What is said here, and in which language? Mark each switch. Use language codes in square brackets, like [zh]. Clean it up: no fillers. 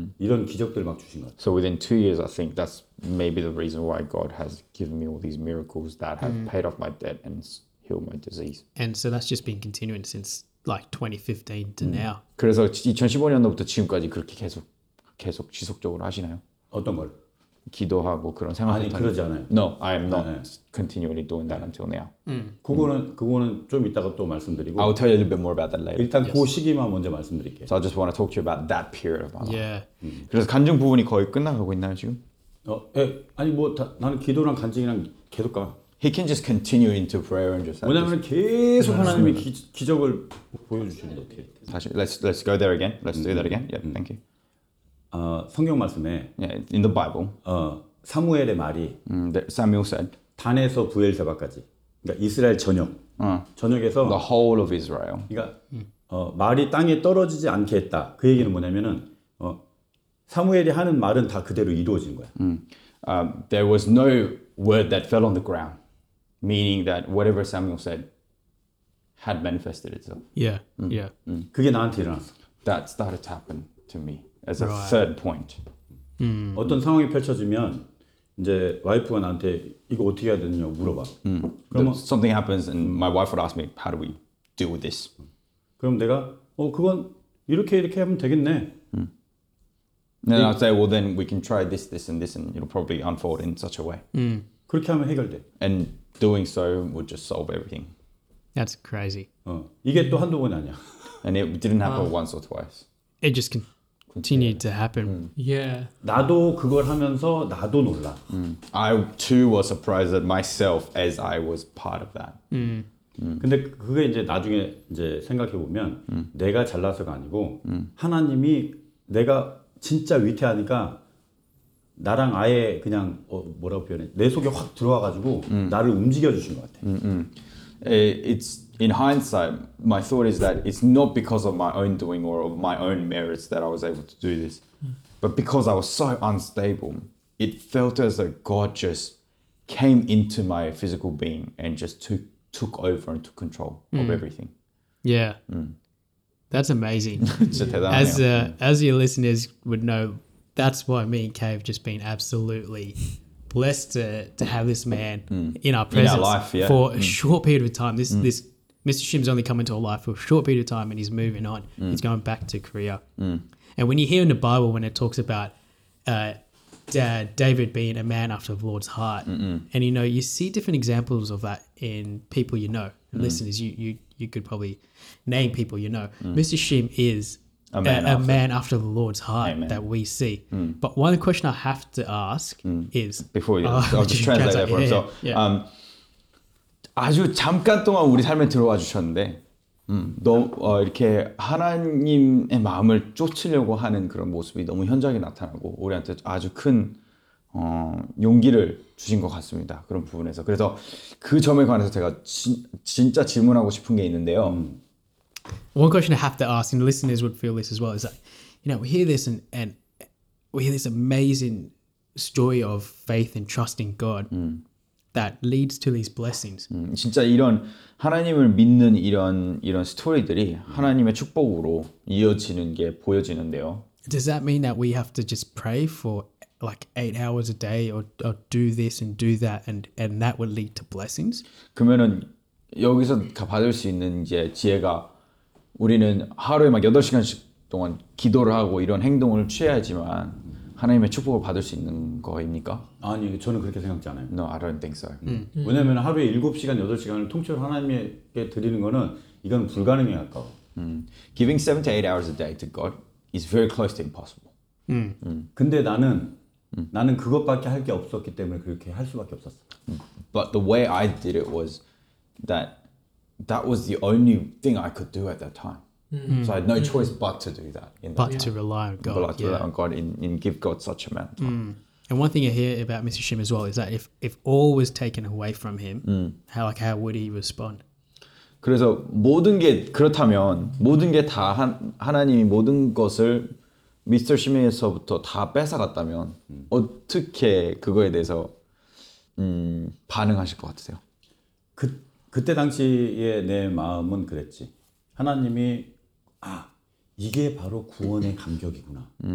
[ko] 이런 기적들 막 주신 것. [en] So within 2 years, I think that's maybe the reason why God has given me all these miracles that have paid off my debt and healed my disease. And so that's just been continuing since like 2015 to now. [ko] 그래서 2015년도부터 지금까지 그렇게 계속 지속적으로 하시나요? 어떤 걸? 기도하고 그런 생활을 아니 그러지 않아요. [en] No, I'm not continually doing that until now. [ko] 그거는 좀 이따가 또 말씀드리고. [en] I'll tell you a little bit more about that later. [ko] 일단 그 시기만 먼저 말씀드릴게요. [en] So I just want to talk to you about that period of my life. Yeah. [ko] 그래서 간증 부분이 거의 끝나가고 있나요 지금? 아니 뭐 나는 기도랑 간증이랑 계속 가. [en] He can just continue into prayer and just. [ko] 왜냐면 계속 하나님이 기적을 보여주시는 거 같아요. 다시 [en] let's go there again. Let's do that again. Yeah, thank you. [ko] 성경 말씀에 [en] yeah, in the Bible [ko] 사무엘의 말이 [en] Samuel said [ko] 단에서 부엘세바까지 그러니까 이스라엘 전역 전역에서 [en] the whole of Israel [ko] 그러니까 말이 땅에 떨어지지 않게 했다 그 얘기는 뭐냐면은 사무엘이 하는 말은 다 그대로 이루어진 거야. [en] There was no word that fell on the ground meaning that whatever Samuel said had manifested itself. Yeah. [ko] 그게 나한테 일어났어. [en] That started to happen to me. As a third point. [ko] 어떤 상황이 펼쳐지면 이제 와이프가 나한테 이거 어떻게 해야 되냐고 물어봐. [en] Something happens and my wife would ask me, how do we deal with this? [ko] 그럼 내가 그건 이렇게 하면 되겠네. [en] Then I'd say, well, then we can try this, and this, and it'll probably unfold in such a way. [ko] 그렇게 하면 해결돼. [en] And doing so would just solve everything. That's crazy. [ko] 이게 또 한두 번 아니야. [en] And it didn't happen once or twice. It just can. Continued to happen. Yeah. [ko] 나도 그걸 하면서 나도 놀라. [en] I too was surprised at myself as I was part of that. [ko] 근데 그게 이제 나중에 이제 생각해 보면 내가 잘나서가 아니고 하나님이 내가 진짜 위태하니까 나랑 아예 그냥 뭐라고 표현해 내 속에 확 들어와 가지고 나를 움직여 주신 것 같아. [en] It's in hindsight, my thought is that it's not because of my own doing or of my own merits that I was able to do this, but because I was so unstable, it felt as though God just came into my physical being and just took over and took control of everything. Yeah, that's amazing. as your listeners would know, that's why me and Kay have just been absolutely blessed to have this man in our presence for a short period of time. This Mr. Shim's only come into our life for a short period of time, and he's moving on. He's going back to Korea. And when you hear in the Bible when it talks about David being a man after the Lord's heart, and you know, you see different examples of that in people you know. And listeners, you could probably name people you know. Mr. Shim is a man after the Lord's heart that we see. But one question I have to ask is... Before you... I'll just translate that for him. [ko] So, 아주 잠깐 동안 우리 삶에 들어와 주셨는데 이렇게 하나님의 마음을 쫓으려고 하는 그런 모습이 너무 현저하게 나타나고 우리한테 아주 큰 용기를 주신 것 같습니다. 그런 부분에서. 그래서 그 점에 관해서 제가 진짜 질문하고 싶은 게 있는데요. [en] One question I have to ask, and listeners would feel this as well, is that, you know, we hear this and we hear this amazing story of faith and trusting God that leads to these blessings. [ko] 진짜 이런 하나님을 믿는 이런 스토리들이 하나님의 축복으로 이어지는 게 보여지는데요. [en] Does that mean that we have to just pray for like 8 hours a day or do this and do that and that would lead to blessings? [ko] 그러면은 여기서 받을 수 있는 이제 지혜가 우리는 하루에 막 8시간씩 동안 기도를 하고 이런 행동을 취해야지만 하나님의 축복을 받을 수 있는 거입니까? 아니, 저는 그렇게 생각지 않아요. [en] No, I don't think so. [ko] 왜냐면 하루에 7시간, 8시간을 통째로 하나님께 드리는 거는 이건 불가능해 할까? [en] Giving 7 to 8 hours a day to God is very close to impossible. [ko] 근데 나는 그것밖에 할 게 없었기 때문에 그렇게 할 수밖에 없었어. [en] But the way I did it was that was the only thing I could do at that time. So I had no choice but to do that. To rely on God. But to rely on God and give God such amount of time. And one thing I hear about Mr. Shim as well is that if all was taken away from him, how would he respond? [ko] 그래서 모든 게 그렇다면 모든 게 다 하나님이 모든 것을 Mr. Shim에서부터 다 뺏어갔다면 어떻게 그거에 대해서 반응하실 것 같으세요? 그때 당시에 내 마음은 그랬지. 하나님이 아 이게 바로 구원의 감격이구나.